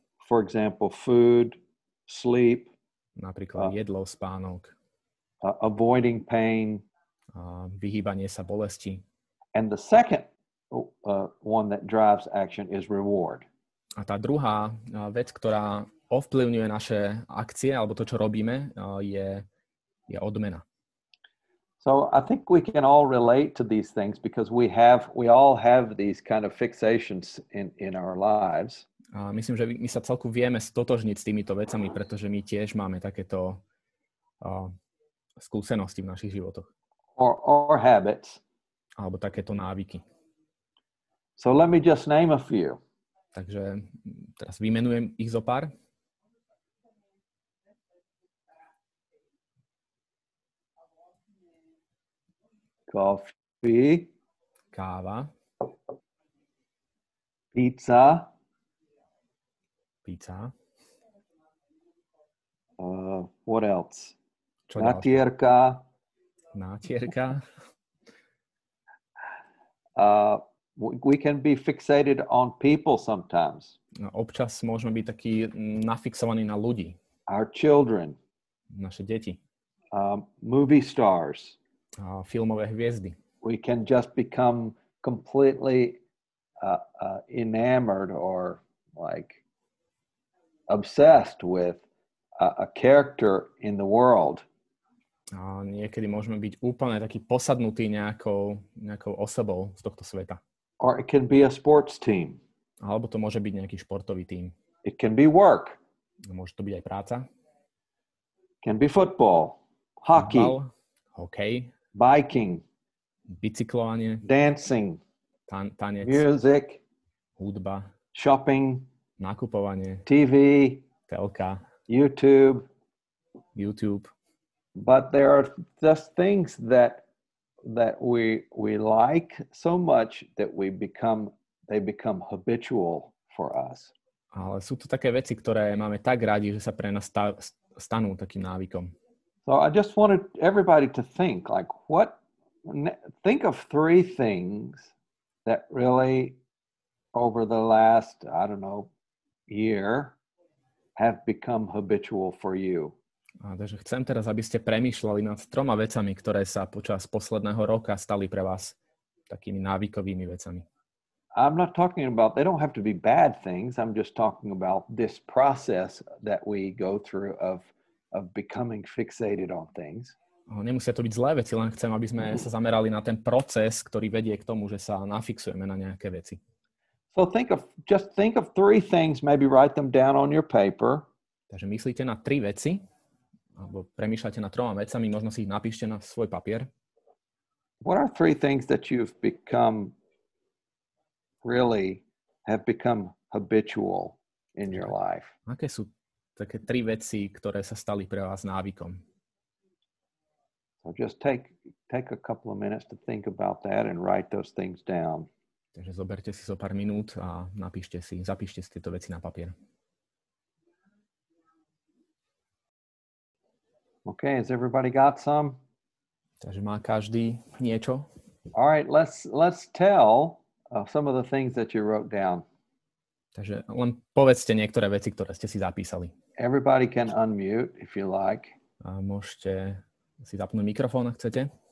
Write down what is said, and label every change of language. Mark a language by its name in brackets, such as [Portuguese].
[English] For example, food, sleep. [Slovak] Napríklad jedlo, spánok. [English] Avoiding pain. [Slovak] Vyhýbanie sa bolesti. [English] And the second one that drives action is reward. [Slovak] A tá druhá vec, ktorá ovplyvňuje naše akcie, alebo to, čo robíme, je odmena. [English] So I think we can all relate to these things because we all have these kind of fixations in our lives. [Slovak] A myslím, že my sa celku vieme stotožniť s týmito vecami, pretože my tiež máme takéto skúsenosti v našich životoch. [English] Or habits. [Slovak] Alebo takéto návyky. [English] So let me just name a few. [Slovak] Takže teraz vymenujem ich zo pár. [English] Coffee. [Slovak] Káva. [English] Pizza. [Slovak] Pizza. [English] What else? [Slovak] Čo natierka. Ďalšie? Natierka. [English] We can be fixated on people sometimes. [Slovak] Občas môžeme byť taký nafixovaní na ľudí. [English] Our children. [Slovak] Naše deti. [English] Movie stars. [Slovak] Filmové hviezdy. [English] We can just become completely enamored or like obsessed with a character in the world. [Slovak] A niekedy môžeme byť úplne taký posadnutý nejakou osobou z tohto sveta. [English] Or it can be a sports team. [Slovak] Alebo to môže byť nejaký športový tím. [English] It can be work. [Slovak] Môže to byť aj práca. [English] Can be football, hockey, [Slovak] hokej, [English] biking, [Slovak] bicyklovanie, [English] dancing, [Slovak] tanec, [English] music, [Slovak] hudba, [English] shopping, [Slovak] nakupovanie, [English] TV, [Slovak] telka, [English] YouTube. But there are just things that we like so much that they become habitual for us. [Slovak] Ale sú to také veci, ktoré máme tak radi, že sa pre nás stanú takým návykom. [English] So I just wanted everybody to think like think of three things that really over the last, I don't know, year have become habitual for you. [Slovak] A takže chcem teraz, aby ste premýšľali nad troma vecami, ktoré sa počas posledného roka stali pre vás takými návykovými vecami. [English] I'm not talking about, they don't have to be bad things. I'm just talking about this process that we go through of becoming fixated on things. [Slovak] Nemusia to byť zlé veci, len chcem, aby sme sa zamerali na ten proces, ktorý vedie k tomu, že sa nafixujeme na nejaké veci. [English] So think of three things, maybe write them down on your paper. [Slovak] Takže myslíte na tri veci, alebo premýšľate na troma vecami, možno si ich napíšte na svoj papier. [English] What are three things that you've become really have become habitual in your life? [Slovak] Aké sú také tri veci, ktoré sa stali pre vás návykom? [English] So just take a couple of minutes to think about that and write those things down. [Slovak] Takže zoberte si zo pár minút a zapíšte si tieto veci na papier. [English] Okay, has everybody got some? [Slovak] Takže má každý niečo? [English] All right, let's tell some of the things that you wrote down. [Slovak] Takže len povedzte niektoré veci, ktoré ste si zapísali. [English] Everybody can unmute if you like. [Slovak] A môžete si zapnúť mikrofón, ak chcete.